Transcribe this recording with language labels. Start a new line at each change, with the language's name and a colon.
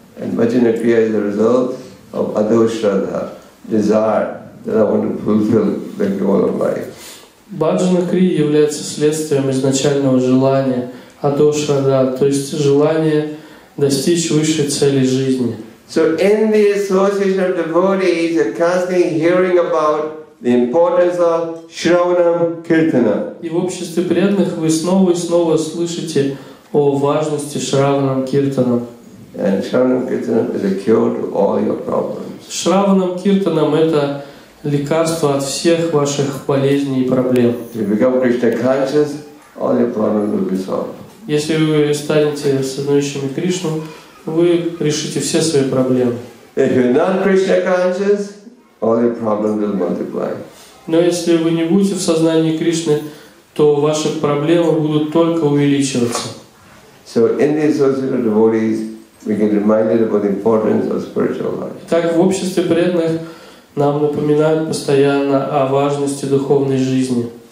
English: And Bhajana Kriya is the result of Adoshradha, desire that I want to fulfill the goal of life.
Russian: Bhajana Kriya является следствием изначального желания. Адошрада, то есть желание достичь высшей цели жизни.
English: So in the association of devotees, you're constantly hearing about the importance of Shravanam Kirtanam.
Russian: И в обществе преданных вы снова и снова слышите о важности Shravanam Kirtanam.
English: And Shravanam Kirtanam is a cure to all your problems.
Russian: Shravanam Kirtanam – это лекарство от всех ваших болезней и проблем.
English: If you become Krishna conscious, all your problems will be solved.
Russian: Если вы станете сознающими Кришну, вы решите все свои проблемы.
English: If you're not Krishna conscious, all your problems will multiply.
Russian: Но если вы не будете в сознании Кришны, то ваши проблемы будут только увеличиваться.
English: So in the associated devotees, we get reminded about the importance of spiritual life.
Russian: Так в обществе преданных нам напоминают постоянно о важности духовной жизни.